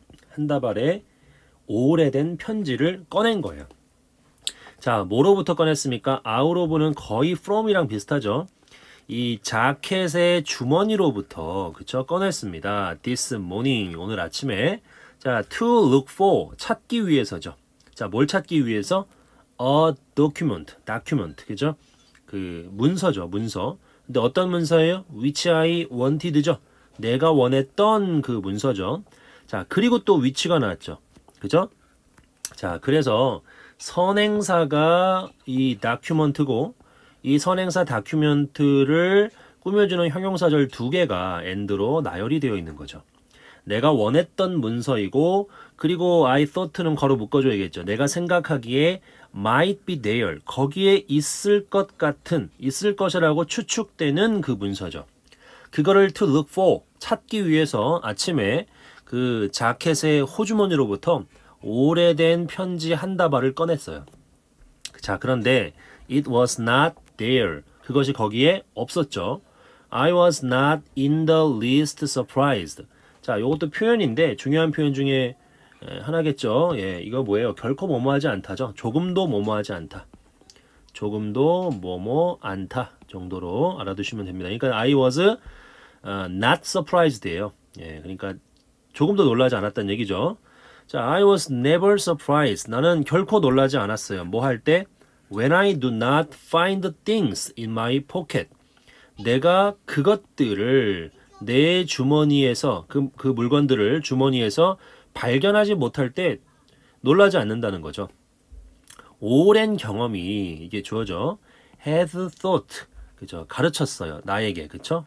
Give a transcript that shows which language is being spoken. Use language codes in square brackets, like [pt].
[ko] 한 다발의 오래된 편지를 꺼낸 거예요. 자, 뭐로부터 꺼냈습니까? out of는 거의 from이랑 비슷하죠. 이 자켓의 주머니로부터, 그쵸? 꺼냈습니다. [en] this morning, [ko] 오늘 아침에. 자, [en] to look for, [ko] 찾기 위해서죠. 자, 뭘 찾기 위해서? [en] a document, document, 그죠? [ko] 그 문서죠, 문서. 근데 어떤 문서예요? [en] which I wanted [ko] 죠. 내가 원했던 그 문서죠. 자, 그리고 또 which가 나왔죠. 그죠? 자, 그래서 선행사가 이 다큐먼트고, 이 선행사 다큐먼트를 꾸며주는 형용사절 두 개가 and로 나열이 되어 있는 거죠. 내가 원했던 문서이고, 그리고 [en] I thought [ko] 는 괄호 묶어줘야겠죠. 내가 생각하기에 [en] might be there, [ko] 거기에 있을 것 같은, 있을 것이라고 추측되는 그 문서죠. 그거를 [en] to look for, [ko] 찾기 위해서 아침에 그 자켓의 호주머니로부터 오래된 편지 한 다발을 꺼냈어요. 자, 그런데 [en] it was not there. [ko] 그것이 거기에 없었죠. [en] I was not in the least surprised. [ko] 자, 이것도 표현인데 중요한 표현 중에 하나겠죠. 예, 이거 뭐예요? 결코 뭐뭐하지 않다죠. 조금도 뭐뭐하지 않다. 조금도 뭐뭐 않다 정도로 알아두시면 됩니다. 그러니까 [en] I was not surprised예요. [ko] 예, 그러니까 조금도 놀라지 않았다는 얘기죠. [en] 자, I was never surprised. [ko] 나는 결코 놀라지 않았어요. 뭐 할 때? [en] When I do not find things in my pocket. [ko] 내가 그것들을 내 주머니에서, 그 물건들을 주머니에서 발견하지 못할 때 놀라지 않는다는 거죠. 오랜 경험이 이게 주어져. [en] Had thought. [ko] 그죠. 가르쳤어요. 나에게. 그쵸?